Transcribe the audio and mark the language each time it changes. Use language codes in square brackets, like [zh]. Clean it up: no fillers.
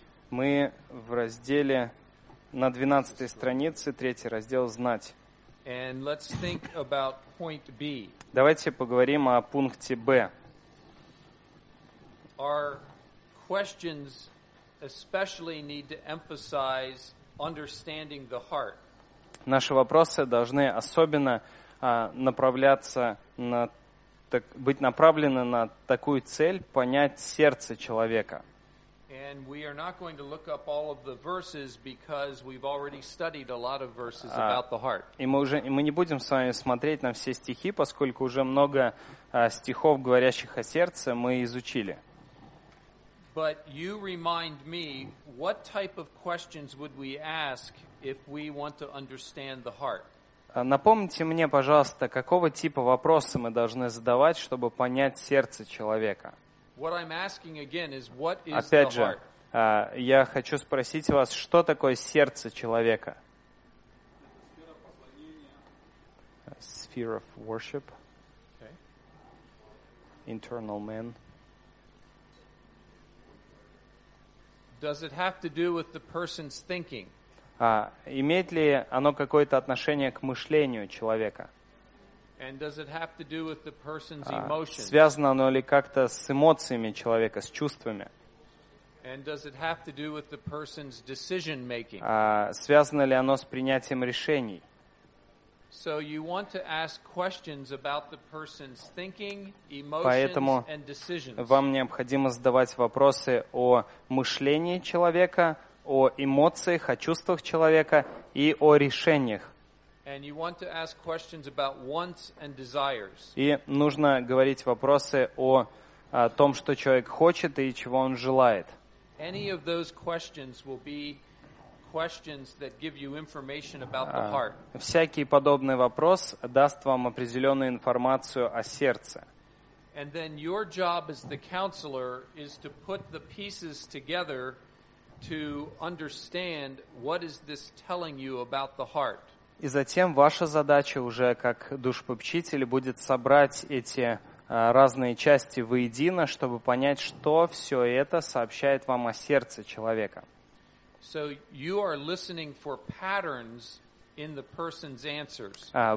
[ru] Мы в разделе на 12-й странице, третий раздел «Знать». [en] And let's think about point B. [ru] Давайте поговорим о пункте Б. [en] Our questions especially need to emphasize understanding the heart. [ru] Наши вопросы должны особенно направляться на так, быть направлены на такую цель понять сердце человека. [en] And we are not going to look up all of the verses because we've already studied a lot of verses about the heart. [ru] И мы не будем с вами смотреть на все стихи, поскольку уже много стихов, говорящих о сердце, мы изучили. [en] But you remind me, what type of questions would we ask if we want to understand the heart? [ru] Напомните мне, пожалуйста, какого типа вопросы мы должны задавать, чтобы понять сердце человека? Опять же, я хочу спросить вас, что такое сердце человека? [en] Sphere of worship. Internal man. Does it have to do with the person's thinking? [ru] Имеет ли оно какое-то отношение к мышлению человека? [en] And does it have to do with the person's emotions? [ru] Связано оно ли как-то с эмоциями человека, с чувствами? [en] And does it have to do with the person's decision making? [ru] Связано ли оно с принятием решений? [en] So you want to ask questions about the person's thinking, emotions, and decisions. [ru] Поэтому вам необходимо задавать вопросы о мышлении человека, о эмоциях, о чувствах человека и о решениях. [en] And you want to ask questions about wants and desires. [ru] И нужно говорить вопросы о том, что человек хочет и чего он желает. [en] Any of those questions will be questions that give you information about the heart. [ru] Всякий подобный вопрос даст вам определенную информацию о сердце. [en] And then your job as the counselor is to put the pieces together to understand what is this telling you about the heart. [ru] И затем ваша задача уже как душепопечитель будет собрать эти разные части воедино, чтобы понять, что все это сообщает вам о сердце человека. [en] So you are listening for patterns in the person's answers.